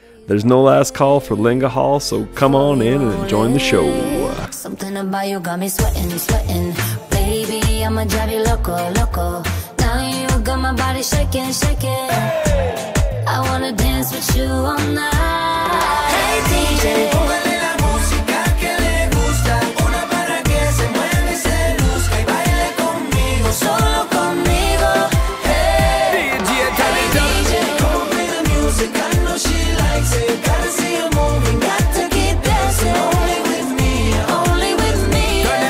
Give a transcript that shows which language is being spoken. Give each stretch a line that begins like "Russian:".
English: There's no last call for Lingahol, so come on in and join the show. Something about you got me sweating, baby, I'm a daddy
Spanish: loco, loco.
English: Now you got my body shaking, shaking. Hey. I wanna dance with you all night.
Spanish: Hey DJ, póngale la música que le gusta. Una para que se mueva y se luzca. Y baile conmigo, solo conmigo.
English: Hey, DJ, come on, play the music. I know she likes it. Gotta see her moving, got to keep dancing. Only with me, only with me.